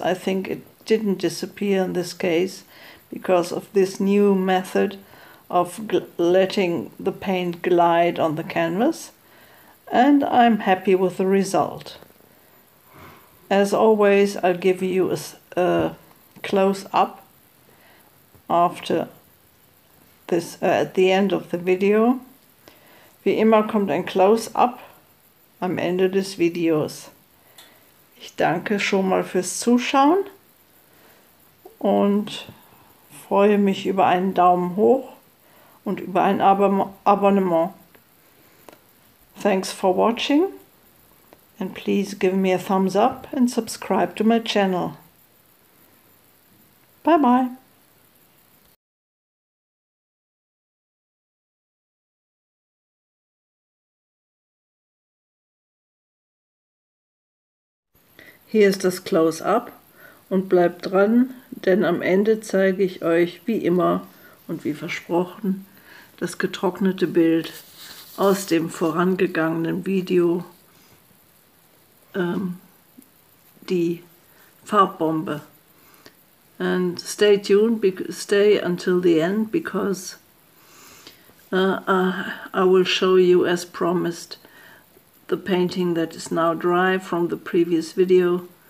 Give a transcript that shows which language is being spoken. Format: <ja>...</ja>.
<en>I think it didn't disappear in this case, because of this new method of letting the paint glide on the canvas, and I'm happy with the result. As always, I'll give you a close-up after this at the end of the video.</en> <de>Wie immer kommt ein Close-up am Ende des Videos. Ich danke schon mal fürs Zuschauen und freue mich über einen Daumen hoch und über ein Abonnement.</de> <en>Thanks for watching and please give me a thumbs up and subscribe to my channel. Bye bye.</en> <de>Hier ist das Close-up. Und bleibt dran, denn am Ende zeige ich euch, wie immer und wie versprochen, das getrocknete Bild aus dem vorangegangenen Video, die Farbbombe.</de> <en>And stay tuned, stay until the end, because I will show you, as promised, the painting that is now dry from the previous video.</en>